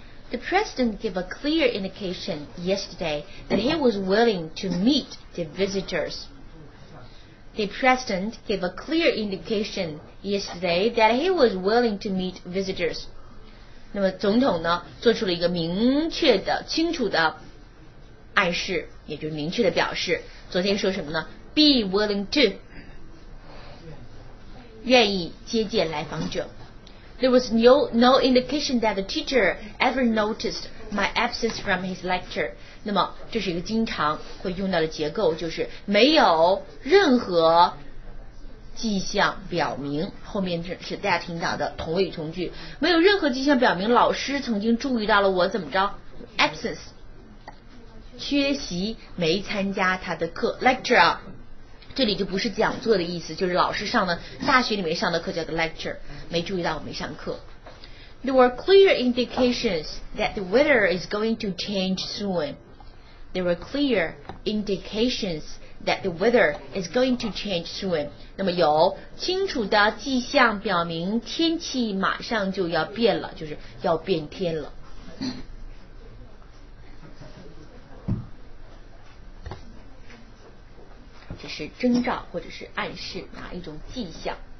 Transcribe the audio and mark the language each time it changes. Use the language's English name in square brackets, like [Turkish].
[English] The president gave a clear indication yesterday that he was willing to meet the visitors. The president gave a clear indication yesterday that he was willing to meet visitors. [Chinese] 那么总统呢，做出了一个明确的、清楚的暗示，也就是明确的表示。昨天说什么呢 ？ Be willing to，愿意接见来访者。 [English] There was no indication that the teacher ever noticed my absence from his lecture. [Chinese] 那么这是一个经常会用到的结构，就是没有任何迹象表明，后面是大家听到的同位语从句，没有任何迹象表明老师曾经注意到了我怎么着 absence 缺席，没参加他的课 lecture 啊。这里就不是讲座的意思，就是老师上的大学里面上的课叫做 lecture， 没注意到我没上课。 [English] There were clear indications that the weather is going to change soon. There were clear indications that the weather is going to change soon. [Chinese] 那么有清楚的迹象表明天气马上就要变了，就是要变天了。这是征兆或者是暗示啊，一种迹象。